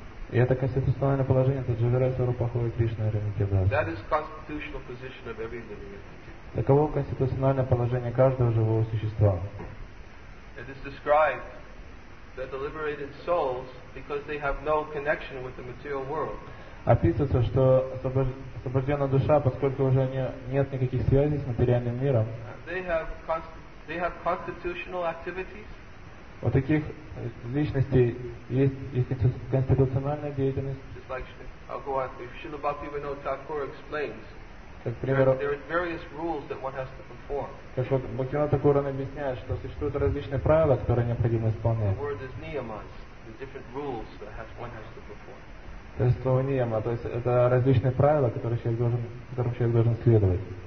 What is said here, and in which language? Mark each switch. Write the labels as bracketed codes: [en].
[ru] и это конституциональное положение, это [bn] Джавирай Сурупахой Кришна Аринитидас. [en] That is constitutional position of every living entity. [ru] Таково конституциональное положение каждого живого существа. [en] It is described that the liberated souls, because they have no connection with the material world. [ru] Описывается, что освобожденная душа, поскольку уже нет никаких связей с материальным миром. [en] They have constitutional activities. [ru] У таких личностей есть, есть конституциональная деятельность. [en] Just like I'll go on. If Srila Bhaktivinoda Thakur explains, [ru] как, например, [en] there are various rules that one has to perform. [ru] Как вот Бхактивинода Такур объясняет, что существуют различные правила, которые необходимо исполнять. [en] The word is niyamas, the different rules that one has to perform. [ru] То есть слово «ниема», то есть это различные правила, которые человек должен, которым человек должен следовать.